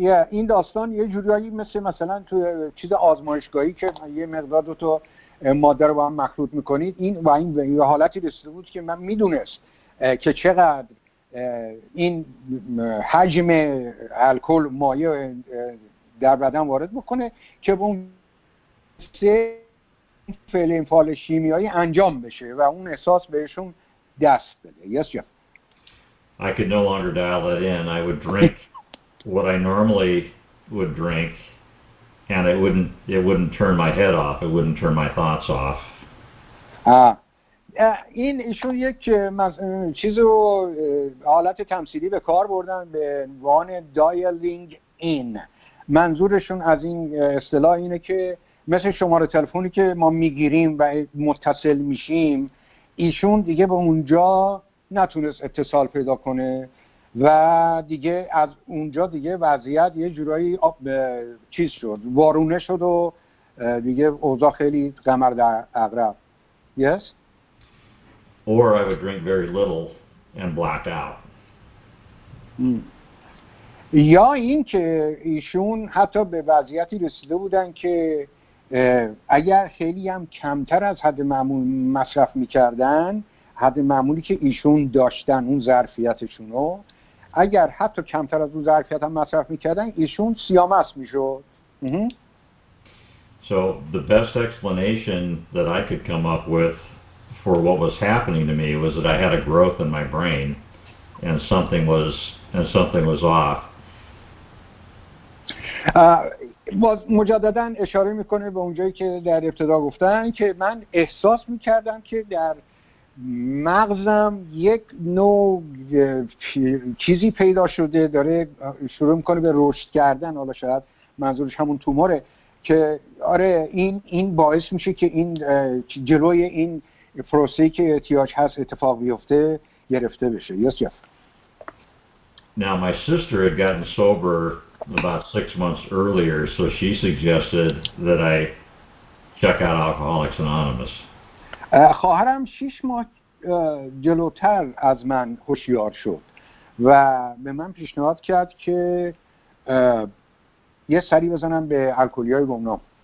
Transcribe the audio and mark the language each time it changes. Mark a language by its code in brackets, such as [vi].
[fa] این داستان یه جوریایی مثلا تو چیز آزمایشگاهی که یه مقدار دو تا ماده رو با هم مخلوط میکنید، این و این به حالتی رسیده بود که من میدونست که چقدر این حجم الکل مایع در بدن وارد بکنه که اون سه فعل انفعال شیمیایی انجام بشه و اون احساس بهشون دست بده. [en] Yes, yeah. I could no longer dial that in. I would drink what I normally would drink and it wouldn't turn my head off. It wouldn't turn my thoughts off. [fa] این ایشون یک چیز رو حالت تمثیلی به کار بردن به عنوان dialing in. منظورشون از این اصطلاح اینه که مثل شماره تلفنی که ما میگیریم و متصل میشیم، ایشون دیگه به اونجا نتونست اتصال پیدا کنه و دیگه از اونجا دیگه وضعیت یه جورایی چیز شد، وارونه شد و دیگه اوضاع خیلی قمر در عقرب. [en] Yes? Or I would drink very little and black out. [fa] یا این که ایشون حتی به وضعیتی رسیده بودن که اگر خیلی هم کمتر از حد معمول مصرف میکردن، حد معمولی که ایشون داشتن اون ظرفیتشون رو، اگر حتی کمتر از اون ظرفیت هم مصرف میکردن ایشون سیامست میشد. [en] So the best explanation that I could come up with for what was happening to me was that I had a growth in my brain and something was off. [fa] باز مجدداً اشاره میکنه به اونجایی که در ابتدا گفتن که من احساس میکردم که در مغزم یک نوع چیزی پیدا شده داره شروع میکنه به رشد کردن، حالا شاید منظورش همون توموره، که آره این باعث میشه که این جلوی این پروسه‌ای که احتیاج هست اتفاق بیفته گرفته بشه. [en] Yes Jeff. Now my sister had gotten sober about 6 months earlier, so she suggested that I check out Alcoholics Anonymous. [fa] خواهرم 6 ماه جلوتر از من هوشیار شد و به من پیشنهاد کرد که یه سری بزنم به الکلیای گمنام.